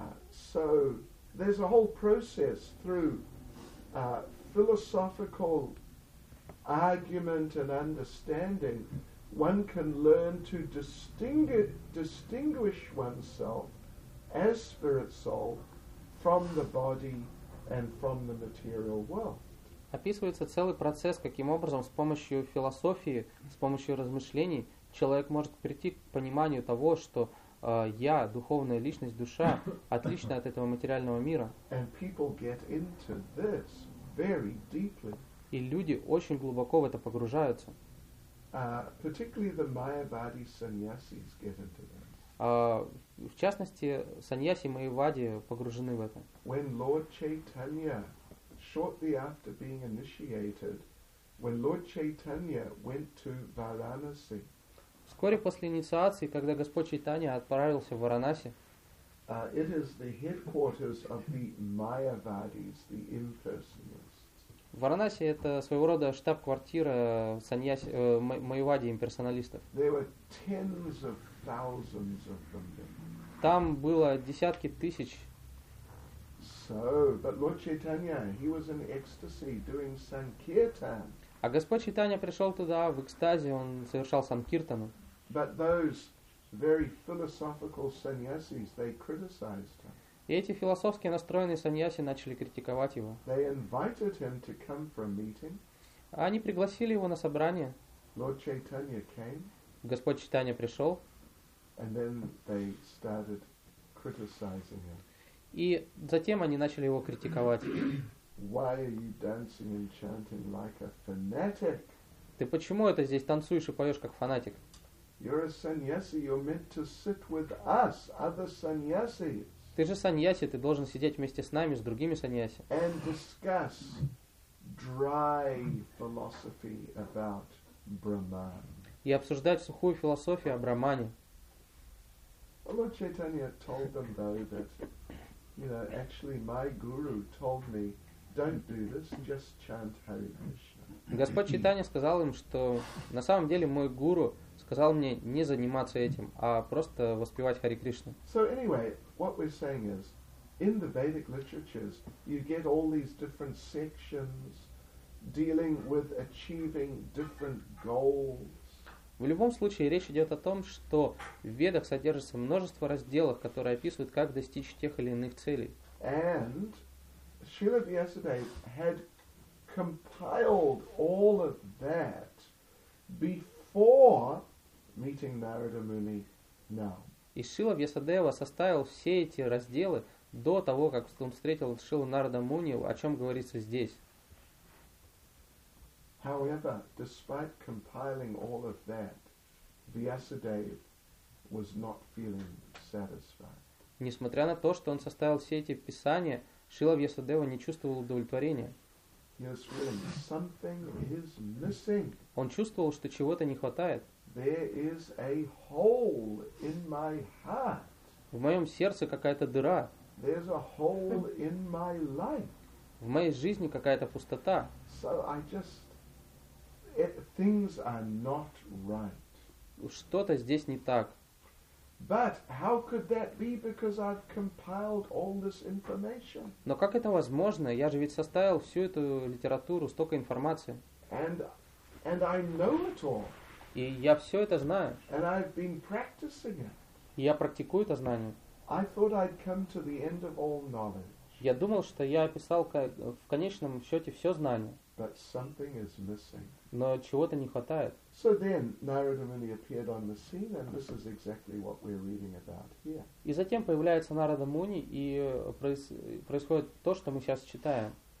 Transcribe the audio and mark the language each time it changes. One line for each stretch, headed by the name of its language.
English: So there's a whole process through philosophical argument and understanding. One can learn to distinguish oneself as spirit soul from the body and from the material world.
Russian: Описывается целый процесс, каким образом с помощью философии, с помощью размышлений человек может прийти к пониманию того, что я, духовная личность, душа, отлична от этого материального мира.
English: And people get into this very deeply.
Russian: И люди очень глубоко в это погружаются.
English: Particularly the Mayavadi sannyasis get into this.
Russian: В частности, саньяси Майявади погружены в это.
English: When Lord Chaitanya, shortly after being initiated, when Lord Chaitanya went to Varanasi,
Russian: вскоре после инициации, когда Господь Чайтанья отправился в Варанаси,
English: it is the headquarters of the Mayavadis, the impersonalists.
Russian: Варанаси это своего рода штаб-квартира саньяси, Майявади имперсоналистов.
English: There were tens of thousands of them.
Russian: Там было десятки тысяч.
English: So, but Lord Chaitanya, he was in ecstasy doing sankirtan.
Russian: А Господь Чайтанья пришел туда в экстазе, он совершал санкиртану.
English: But those very philosophical sannyasis, they criticized him.
Russian: И эти философски настроенные саньяси начали критиковать его.
English: They invited him to come for a meeting.
Russian: Они пригласили его на собрание.
English: Lord Chaitanya came.
Russian: Господь Чайтанья пришел.
English: And then they started criticizing him.
Russian: И затем они начали его критиковать.
English: Why are you dancing and chanting like a fanatic?
Russian: Ты почему это здесь танцуешь и поешь как фанатик?
English: You're a sannyasi, you're meant to sit with us, other sannyasis.
Russian: Ты же саньяси, ты должен сидеть вместе с нами, с другими саньяси.
English: And discuss dry philosophy about Brahman.
Russian: И обсуждать сухую философию о Брахмане.
English: Lord Chaitanya told them though that, you know, actually my guru told me, don't do this, just chant Hare Krishna.
Russian: Господь Чайтанья сказал им, что на самом деле мой гуру сказал мне не заниматься этим, а просто воспевать Хари Кришну.
English: So anyway, what we're saying is, in the Vedic literatures, you get all these different sections dealing with achieving different goals.
Russian: В любом случае, речь идет о том, что в Ведах содержится множество разделов, которые описывают, как достичь тех или иных целей.
English: And Srila Vyasadeva had compiled all of that before meeting Narada Muni now.
Russian: И Шрила Вьясадева составил все эти разделы до того, как он встретил Шрилу Нарада Муни, о чем говорится здесь.
English: However, despite compiling all of that, Vyasadeva was not feeling satisfied.
Russian: Несмотря на то, что он составил все эти писания, Шрила Вьясадева не чувствовал удовлетворения.
English: He was feeling something is missing.
Russian: Он чувствовал, что чего-то не хватает.
English: There is a hole in my heart.
Russian: В моем сердце какая-то дыра.
English: There's a hole in my life.
Russian: В моей жизни какая-то пустота.
English: So I just, things are not right.
Russian: Что-то здесь не так.
English: But how could that be? Because I've compiled all this information.
Russian: Но как это возможно? Я же ведь составил всю эту литературу, столько информации.
English: And I know it all.
Russian: И я все это знаю.
English: And I've been practicing it.
Russian: И я практикую это знание.
English: I thought I'd come to the end of all knowledge.
Russian: Я думал, что я описал в конечном счете все знание.
English: But something is missing.
Russian: Но чего-то не хватает.
English: So then Narada Muni appeared on the scene, and this is exactly what we're reading about here.
Russian: И затем появляется Нарада Муни, и происходит то, что мы сейчас читаем.